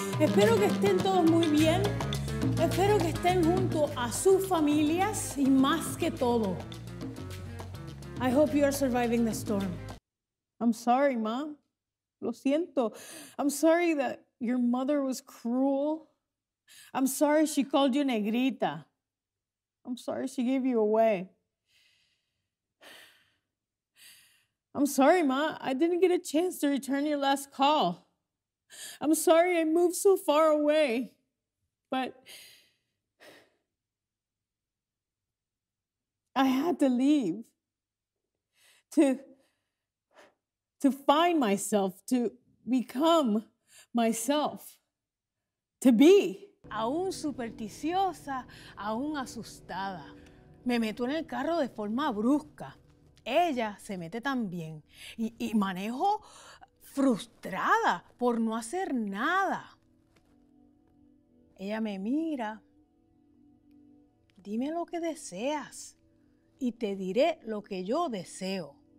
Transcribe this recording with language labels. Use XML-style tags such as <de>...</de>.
<es>Espero que estén todos muy bien. Espero que estén junto a sus familias y más que todo.</es> <en>I hope you are surviving the storm. I'm sorry, mom.</en> <es>Lo siento.</es> <en>I'm sorry that your mother was cruel. I'm sorry she called you negrita. I'm sorry she gave you away. I'm sorry, Ma. I didn't get a chance to return your last call. I'm sorry I moved so far away. But I had to leave to find myself, to become myself, to be.</en> <es>Aún supersticiosa, aún asustada. Me meto en el carro de forma brusca. Ella se mete también. Y manejo frustrada por no hacer nada. Ella me mira. Dime lo que deseas y te diré lo que yo deseo.</es>